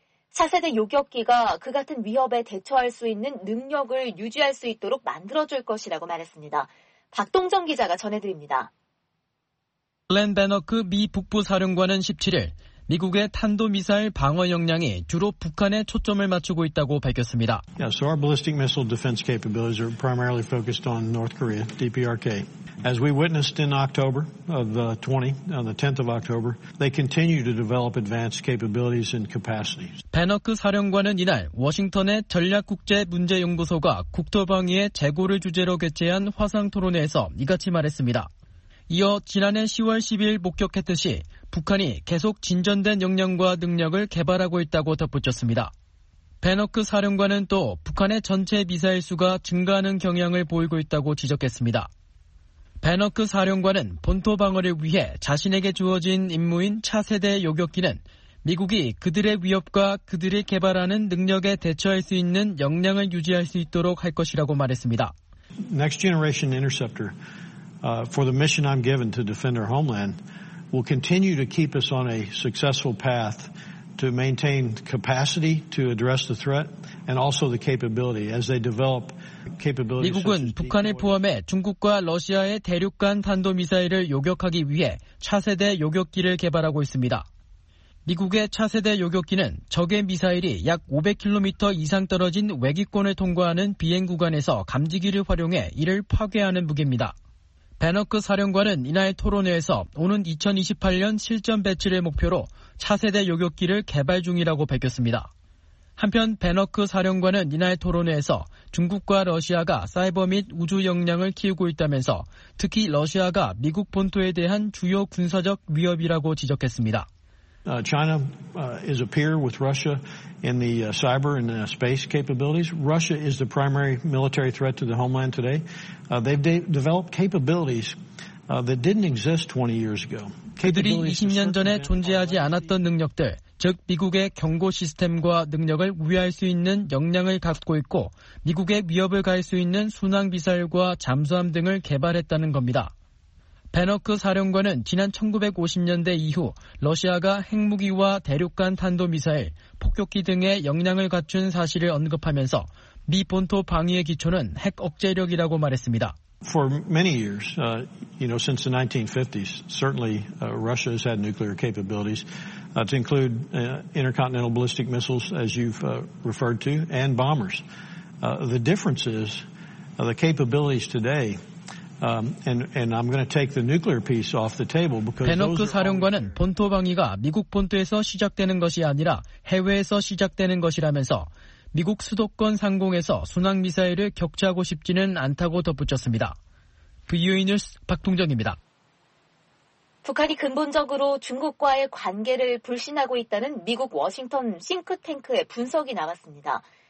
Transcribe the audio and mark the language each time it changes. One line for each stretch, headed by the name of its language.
Korean: 차세대 요격기가 그 같은 위협에 대처할 수 있는 능력을 유지할 수 있도록 만들어줄 것이라고 말했습니다. 박동정 기자가 전해드립니다. 글렌 베너크 미 북부 사령관은 17일 미국의 탄도미사일 방어 역량이 주로 북한에 초점을 맞추고 있다고 밝혔습니다.
English: Yeah, so our ballistic missile defense capabilities are primarily focused on North Korea, DPRK. As we witnessed in October of 20, on the 10th of October, they continue to develop advanced capabilities and capacities.
Korean: 베너크 사령관은 이날 워싱턴의 전략국제문제연구소가 국토방위의 재고를 주제로 개최한 화상토론회에서 이같이 말했습니다. 이어 지난해 10월 12일 목격했듯이 북한이 계속 진전된 역량과 능력을 개발하고 있다고 덧붙였습니다. 베너크 사령관은 또 북한의 전체 미사일 수가 증가하는 경향을 보이고 있다고 지적했습니다. 베너크 사령관은 본토 방어를 위해 자신에게 주어진 임무인 차세대 요격기는 미국이 그들의 위협과 그들이 개발하는 능력에 대처할 수 있는 역량을 유지할 수 있도록 할 것이라고 말했습니다.
English: Next generation interceptor for the mission I'm given to defend our homeland will continue to keep us on a successful path to maintain capacity to address the threat and also the capability as they develop
Korean: 미국은 북한을 포함해 중국과 러시아의 대륙 간 탄도미사일을 요격하기 위해 차세대 요격기를 개발하고 있습니다. 미국의 차세대 요격기는 적의 미사일이 약 500km 이상 떨어진 외기권을 통과하는 비행 구간에서 감지기를 활용해 이를 파괴하는 무기입니다. 베너크 사령관은 이날 토론회에서 오는 2028년 실전 배치를 목표로 차세대 요격기를 개발 중이라고 밝혔습니다. 한편 베너크 사령관은 이날 토론회에서 중국과 러시아가 사이버 및 우주 역량을 키우고 있다면서 특히 러시아가 미국 본토에 대한 주요 군사적 위협이라고 지적했습니다.
English: China is a peer with Russia in the cyber and the space capabilities. Russia is the primary military threat to the homeland today. They've developed capabilities that didn't exist 20 years ago.
Korean: 그들이 20년 전에 존재하지 않았던 능력들, 즉 미국의 경고 시스템과 능력을 우회할 수 있는 역량을 갖고 있고 미국의 위협을 가할 수 있는 순항미사일과 잠수함 등을 개발했다는 겁니다. 베너크 사령관은 지난 1950년대 이후 러시아가 핵무기와 대륙간 탄도미사일, 폭격기 등의 역량을 갖춘 사실을 언급하면서 미 본토 방위의 기초는 핵 억제력이라고 말했습니다.
English: For many years, you know, since the 1950s, certainly Russia has had nuclear capabilities to include intercontinental ballistic missiles, as you've referred to, and bombers. The difference is the capabilities today, and I'm going to take the nuclear piece off the table because
Korean: 베너크 사령관은 본토 방위가 미국 본토에서 시작되는 것이 아니라 해외에서 시작되는 것이라면서 미국 수도권 상공에서 순항미사일을 격추하고 싶지는 않다고 덧붙였습니다. VOA 뉴스 박동정입니다. 북한이 근본적으로 중국과의 관계를 불신하고 있다는 미국 워싱턴 싱크탱크의 분석이 나왔습니다.